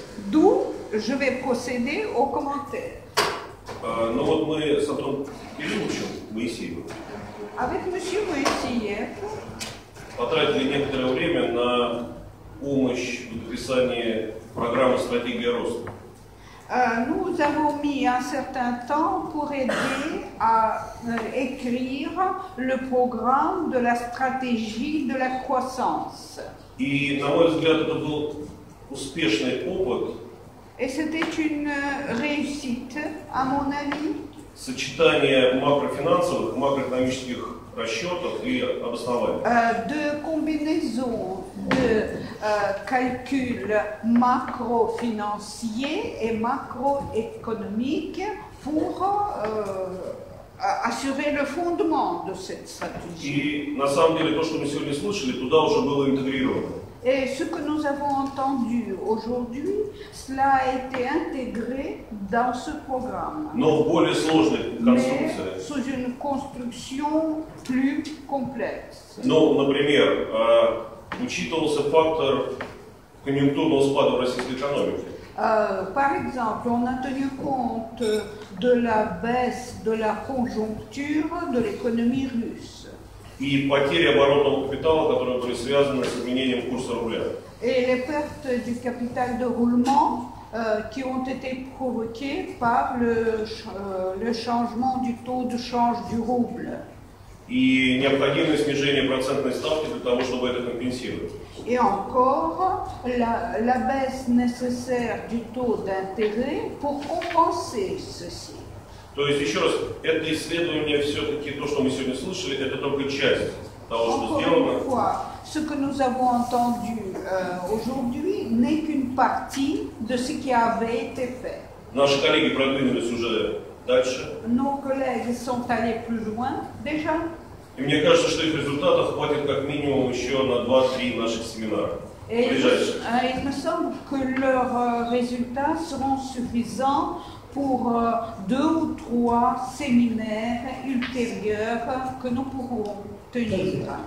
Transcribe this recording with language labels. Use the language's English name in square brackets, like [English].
[French] D'où je vais procéder au commentaire. [Russian] Ну вот мы с Антоном Кирилловичем Моисеевым. [French] Avec monsieur Моисеев. [Russian] Потратили некоторое время на помощь в написании программы «Стратегия роста». [French] Nous avons mis un certain temps pour aider à écrire le programme de la stratégie de la croissance. [Russian] И, на мой взгляд, это был успешный опыт. [French] Et c'était une réussite, à mon avis. [Russian] Сочетание макрофинансовых, макроэкономических расчетов и обоснований. [French] De combinaison de calcul macro-financier et macro-économique pour assurer le fondement de cette stratégie. [Russian] И, на самом деле, то, что мы сегодня слышали, туда уже было интегрировано. [French] Et ce que nous avons entendu aujourd'hui, cela a été intégré dans ce programme. [Russian] Но в более сложной конструкции. [French] Mais sous une construction plus complexe. [Russian] Ну, например, учитывался фактор конъюнктурного спада в российской экономике. [French] Par exemple, on a tenu compte de la baisse de la conjoncture de l'économie russe. [Russian] И потери оборотного капитала, которые были связаны с изменением курса рубля. [French] Et les pertes du capital de roulement qui ont été provoquées par le changement du taux de change du rouble. [Russian] и необходимое снижение процентной ставки для того, чтобы это компенсировать. И [French] encore la baisse nécessaire du taux d'intérêt pour compenser ceci. [Russian] То есть еще раз, это исследование все-таки то, что мы сегодня слышали, это только часть того, что [French] encore [Russian] сделано. [French] Encore une fois, ce que nous avons entendu aujourd'hui n'est qu'une partie de ce qui avait été fait. [Russian] Наши коллеги продвинулись уже дальше. [French] Nos collègues sont allés plus loin déjà. [Russian] И мне кажется, что их результатов хватит как минимум еще на 2-3 наших семинара. [French] Il me semble que leurs résultats seront suffisants pour deux ou trois séminaires ultérieurs que nous pourrons tenir.